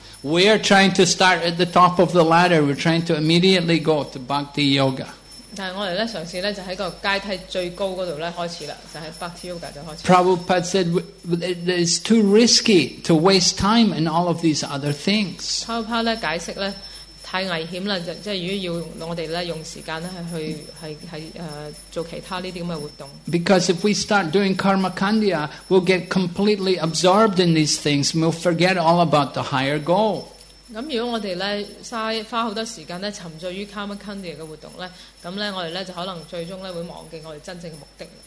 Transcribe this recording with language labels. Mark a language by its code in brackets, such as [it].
[en] We are trying to start at the top of the ladder. We're trying to immediately go to Bhakti Yoga. [yue] 但係我哋咧嘗試咧就喺個階梯最高嗰度咧開始啦，就係 Bhakti Yoga 就開始。 [en] Prabhupada said it's too risky to waste time in all of these other things. [yue] Prabhupada 咧解釋咧。太危險了，即係如果要我哋咧用時間咧去做其他呢啲咁嘅活動。 [en] Because if we start doing Karmakandia, we'll get completely absorbed in these things, and we'll forget all about the higher goal. [yue] 咁如果我哋咧嘥花好多時間咧沉醉於 Karmakandia 嘅活動咧，咁咧我哋咧就可能最終咧會忘記我哋真正嘅目的。